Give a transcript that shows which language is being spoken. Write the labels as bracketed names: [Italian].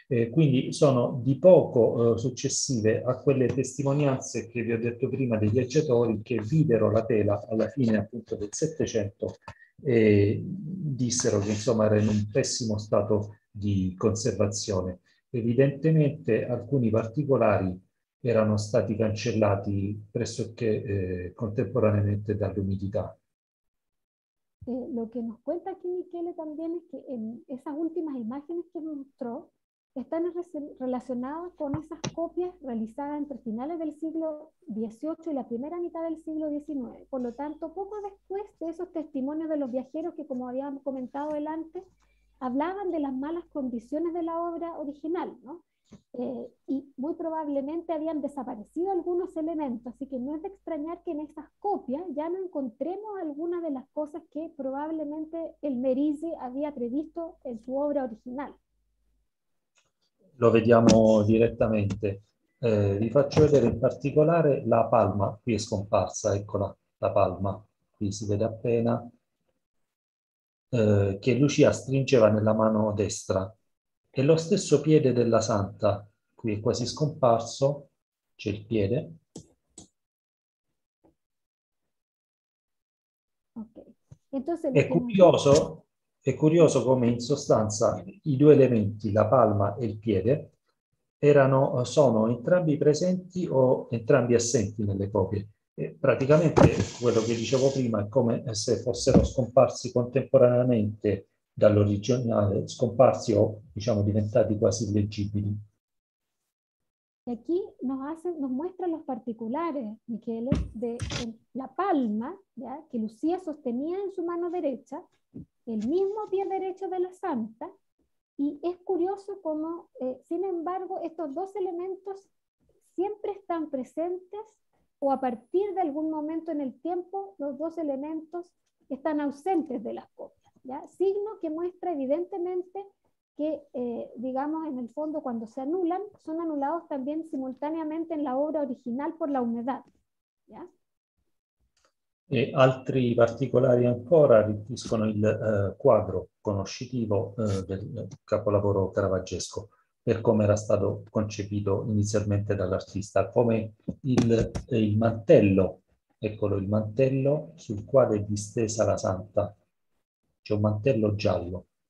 [Italian] Quindi sono di poco successive a quelle testimonianze che vi ho detto prima dei viaggiatori che videro la tela alla fine appunto del Settecento e dissero che insomma era in un pessimo stato di conservazione. Evidentemente alcuni particolari erano stati cancellati pressoché contemporaneamente dall'umidità. [Spanish] Lo che nos cuenta aquí Michele también es que en esas últimas imágenes que mostró están relacionadas con esas copias realizadas entre finales del siglo XVIII y la primera mitad del siglo XIX. Por lo tanto, poco después de esos testimonios de los viajeros que, como habíamos comentado antes, hablaban de las malas condiciones de la obra original, ¿no? Y muy probablemente habían desaparecido algunos elementos, así que no es de extrañar que en esas copias ya no encontremos algunas de las cosas que probablemente el Merisi había previsto en su obra original. [Italian] Lo vediamo direttamente. Vi faccio vedere in particolare la palma, qui è scomparsa, eccola, la palma, qui si vede appena, che Lucia stringeva nella mano destra. E lo stesso piede della santa, qui è quasi scomparso, c'è il piede. [Spanish] Okay. Entonces, [Italian] è curioso come in sostanza i due elementi, la palma e il piede, sono entrambi presenti o entrambi assenti nelle copie. E praticamente quello che dicevo prima è come se fossero scomparsi contemporaneamente dall'originale, scomparsi o diciamo diventati quasi illeggibili. E qui [Spanish] nos muestra los particulares, Michele, de la palma [Italian] che [Spanish] Lucia sostenía en su mano derecha, el mismo pie derecho de la santa. Y es curioso cómo, sin embargo, estos dos elementos siempre están presentes o a partir de algún momento en el tiempo los dos elementos están ausentes de las copias, ¿ya? Signo que muestra evidentemente que, digamos, en el fondo cuando se anulan, son anulados también simultáneamente en la obra original por la humedad, ¿ya? [Italian] E altri particolari ancora arricchiscono il quadro conoscitivo del capolavoro caravaggesco, per come era stato concepito inizialmente dall'artista, come il mantello, eccolo il mantello sul quale è distesa la santa, cioè un mantello giallo.